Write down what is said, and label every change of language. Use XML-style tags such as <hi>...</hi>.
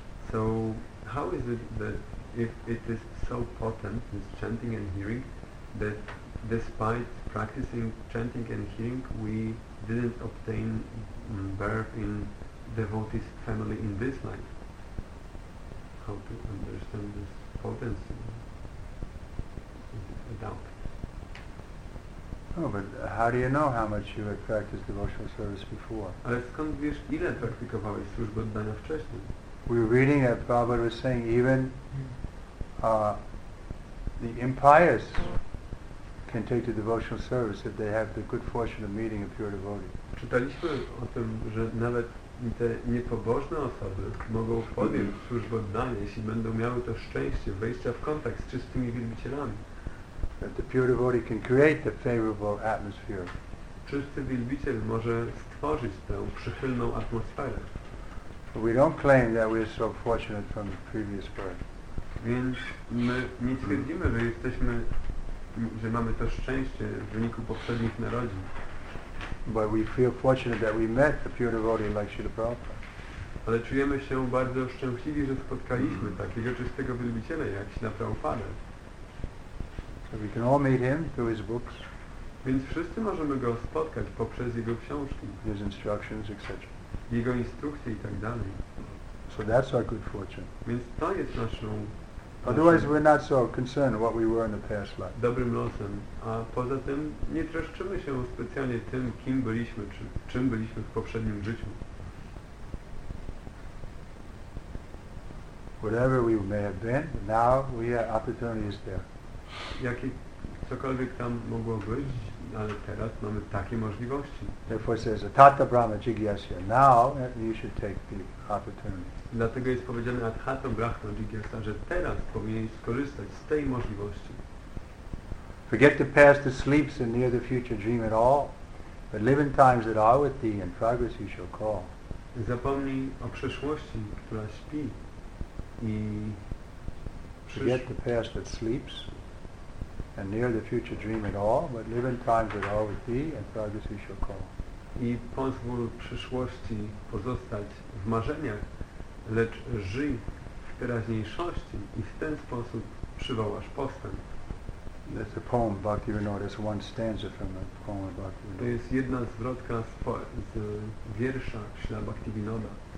<en>So how is it that if it is so potent, this chanting and hearing, that despite practicing chanting and hearing, we didn't obtain birth in devotee's family in this life? How to understand this potency? A doubt. Oh, but how do you know how much you had practiced devotional service before?</en> <pl>Ale skąd wiesz, ile praktykowałeś służby oddania wcześniej?</pl> <en>We were reading that Prabhupada was saying even the impious can take the devotional service if they have the good fortune of meeting a pure devotee.</en> <pl>Czytaliśmy o tym, że nawet te niepobożne osoby mogą podjąć służbę oddania, jeśli będą miały to szczęście wejścia w kontakt z czystymi wielbicielami.</pl> <en>That the pure devotee can create the favorable atmosphere.</en> <pl>Czysty wielbiciel może stworzyć tę przychylną atmosferę.</pl> <en>But we don't claim that we are so fortunate from the previous birth.</en> <pl>Więc my nie twierdzimy, że jesteśmy, że mamy to szczęście w wyniku poprzednich narodzin.</pl> <en>But we feel fortunate that we met a pure devotee like Śrīla Prabhupāda.</en> <pl>Ale czujemy się bardzo szczęśliwi, że spotkaliśmy takiego czystego wielbiciela jak Śrīla Prabhupāda.</pl> <en>So we can all meet him through his books.</en> <pl>Więc wszyscy możemy go spotkać poprzez jego książki.</pl> <en>His instructions, etc.</en> <pl>Jego instrukcje i tak dalej.</pl> <en>So that's our good fortune.</en> <pl>Więc to jest naszą.</pl> <en>Otherwise, we're not so concerned what we were in the past life.</en> <pl>Dobrym losem, a poza tym nie troszczymy się specjalnie tym, kim byliśmy, czy czym byliśmy w poprzednim życiu.</pl> <en>Whatever we may have been, now we have opportunity is there.</en> <pl>Jakie, cokolwiek tam mogło być, ale teraz mamy takie możliwości.</pl> <en>Therefore it says,</en> <sa>Atata Brahma Jigyasya.</sa> <en>Now you should take the opportunity.</en> <pl>Dlatego jest powiedziane</pl> <sa>Atata Brahma Jigyasya,</sa> <pl>że teraz powinien skorzystać z tej możliwości.</pl> <en>Forget the past, the sleeps, and near the future dream at all. But live in times that are with thee, and progress you shall call.</en> <pl>Zapomnij o przeszłości, która śpi.</pl> <en>Forget the past that sleeps, and near the future dream at all. But live in times that are with thee, and progress you shall call.</en> <pl>I pozwól przyszłości pozostać w marzeniach, lecz żyj w teraźniejszości i w ten sposób przywołasz postęp.</pl> <en>That's a poem, Bhaktivinoda. That's one stanza from a poem of Bhaktivinoda.</en> <pl>To jest jedna zwrotka z wiersza Śrila Bhaktivinoda.</pl>